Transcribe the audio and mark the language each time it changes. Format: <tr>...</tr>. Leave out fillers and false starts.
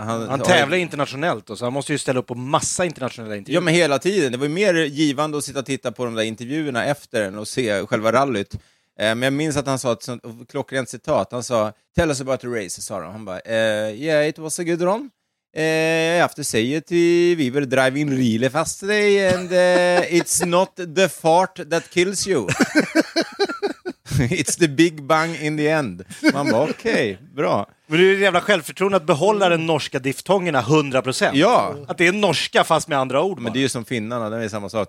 <sv>Han tävlar internationellt då, så han måste ju ställa upp på massa internationella intervjuer. Ja, men hela tiden. Det var ju mer givande att sitta och titta på de där intervjuerna efter den och se själva rallyt. Men jag minns att han sa ett sånt klockrent citat. Han sa,</sv> <en>tell us about the race,</en> <sv>sa han. Han bara,</sv> <en>yeah, it was a good run. I have to say it, we were driving really fast today and it's not the fart that kills you. It's the big bang in the end.</en> <sv>Man bara, okej, bra. Men det är ju jävla självförtroende att behålla den norska diftongerna 100%. Ja. Att det är norska fast med andra ord. Men bara. Det är ju som finnarna, det är samma sak.</sv>